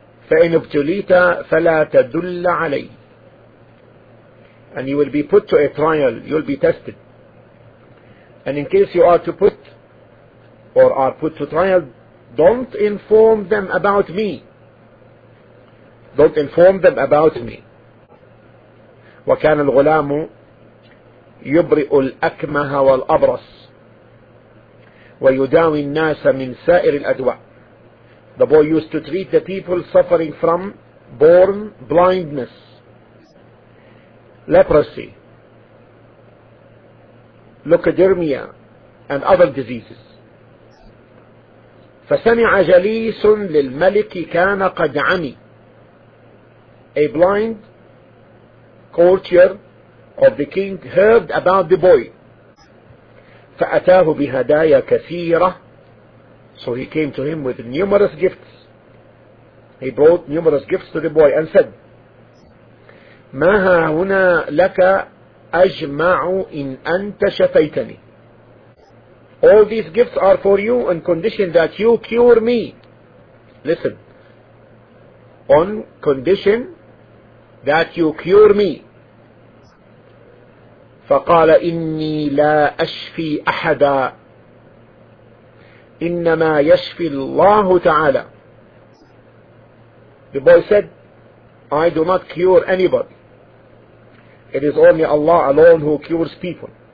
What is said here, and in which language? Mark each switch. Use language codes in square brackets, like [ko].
[ar] فإن ابتليت فلا تدل علي. [en] And you will be put to a trial. You will be tested. And in case you are to put or are put to trial, don't inform them about me. Don't inform them about me. [ar] وكان الغلام يبرئ الأكمه والأبرص ويداوي الناس من سائر الأدواء. [en] The boy used to treat the people suffering from born blindness, leprosy, leukodermia, and other diseases. [ar] فسمع جليس للملك كان قد عمي. [en] A blind courtier of the king heard about the boy. [ar] فأتاه بهدايا كثيرة. [en] So he came to him with numerous gifts. He brought numerous gifts to the boy and said, [ar] ما ها هنا لك أجمع إن أنت شفيتني. [en] All these gifts are for you on condition that you cure me. Listen. On condition that you cure me. [ar] فقال إني لا أشفي أحدا إنما يشفي الله تعالى. [en] The boy said, I do not cure anybody. It is only Allah alone who cures people.